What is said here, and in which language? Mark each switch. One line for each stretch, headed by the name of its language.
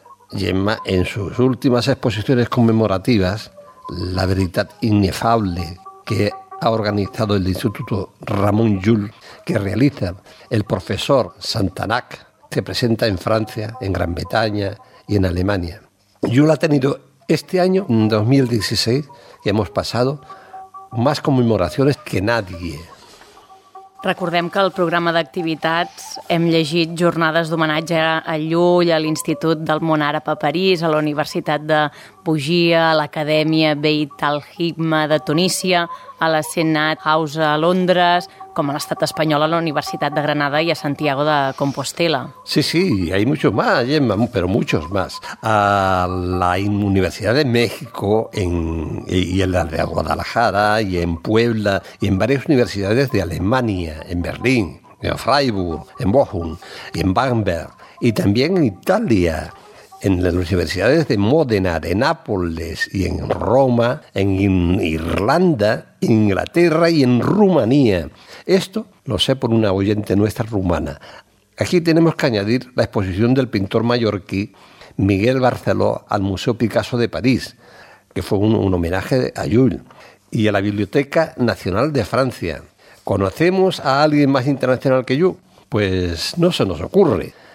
Spanish: Gemma, en sus últimas exposiciones conmemorativas, La Veridad Inefable, que ha organizado el Instituto Ramon Llull, que realiza el profesor Santanac, se presenta en Francia, en Gran Bretaña y en Alemania. Llull ha tenido este año, 2016, que hemos pasado, más conmemoraciones que nadie.
Catalan: Recordem que al programa d'activitats hem llegit jornades d'homenatge a Llull, a l'Institut del Món Àrab a París, a la Universitat de Bougia, a l'Acadèmia Beit al-Hikma de Tunísia, a la Senat House a Londres, com a l'Estat espanyol, a la Universitat de Granada i a Santiago de Compostela. Sí, sí, hi ha molts més, Gemma, però molts més. A la Universitat de México i a la de Guadalajara i en Puebla i en diverses universitats d'Alemanya, en Berlín, en Freiburg, en Bochum i en Bamberg, i també en Itàlia, en les universitats de Mòdena, de Nàpols i en Roma, en Irlanda, Inglaterra i en Rumania.
Spanish: Esto lo sé por una oyente nuestra rumana. Aquí tenemos que añadir la exposición del pintor mallorquí Miguel Barceló al Museo Picasso de París, que fue un homenaje a Jules, y a la Biblioteca Nacional de Francia. ¿Conocemos a alguien más internacional que Jules? Pues no se nos ocurre.